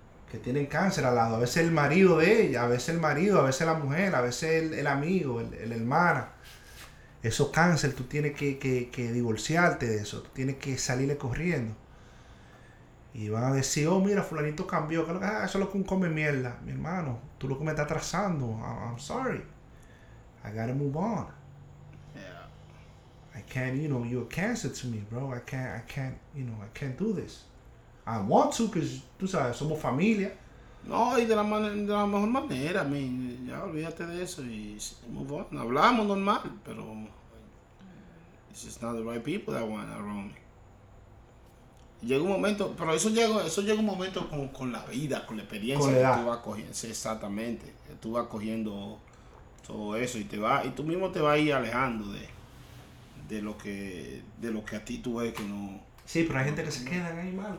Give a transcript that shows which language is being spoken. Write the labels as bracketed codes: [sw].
[es] Que tienen cáncer al lado. A veces el marido de ella, a veces el marido, a veces la mujer, a veces el amigo, el hermana. Eso cáncer, tú tienes que divorciarte de eso. Tú tienes que salirle corriendo. Y van a decir, oh, mira, fulanito cambió. Eso es lo que un come mierda. Mi hermano, tú lo que me estás atrasando. [en] I'm sorry. I gotta move on. I can't, you know, you're a cancer to me, bro. I can't do this. I want to, because, [es] tú sabes, somos familia. No, y de la mejor manera, ya olvídate de eso y [en] move on. [es] Hablamos normal, pero [en] it's just not the right people that want around me. [es] Llega un momento, pero eso llega un momento con la vida, con la experiencia con la que tú vas cogiendo. Sí, exactamente, que tú vas cogiendo todo eso y tú mismo te vas a ir alejando de lo que a ti tú ves que no... Sí, pero hay gente que se quedan ahí, Marco.